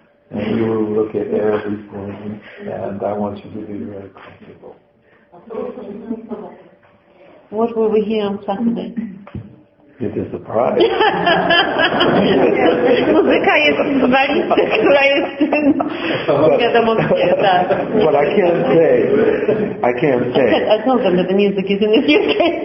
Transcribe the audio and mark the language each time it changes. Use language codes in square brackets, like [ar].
[en] And you will look at everything. And I want you to be very comfortable. What will we hear on Saturday? It's a surprise. [pl] Muzyka jest walizka, która jest nie wiadomo gdzie, tak. [en] But I can't say. I can't say. I told them that the music is in the UK.